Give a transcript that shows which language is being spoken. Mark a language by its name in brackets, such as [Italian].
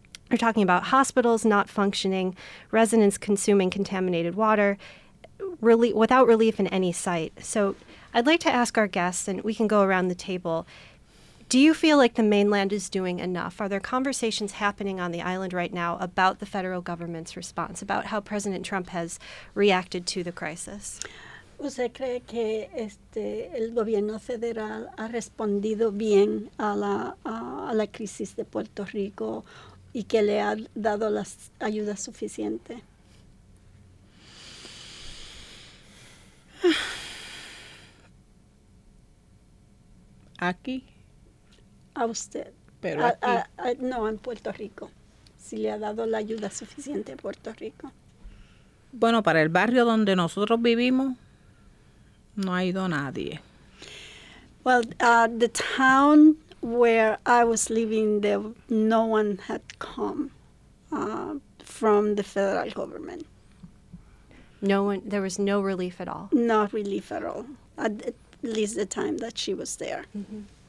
[English] We're talking about hospitals not functioning, residents consuming contaminated water, without relief in any sight. So I'd like to ask our guests, and we can go around the table, do you feel like the mainland is doing enough? Are there conversations happening on the island right now about the federal government's response, about how President Trump has reacted to the crisis? [Spanish] ¿Usted cree que el gobierno federal ha respondido bien a la crisis de Puerto Rico? ¿Y que le ha dado las ayudas suficientes? aquí. A usted. Pero aquí. No, en Puerto Rico. Si le ha dado la ayuda suficiente a Puerto Rico. Bueno, para el barrio donde nosotros vivimos, no ha ido nadie. [English] Well, the town where I was living, no one had come from the federal government. No one, there was no relief at all. No relief at all, at least the time that she was there. Mm-hmm.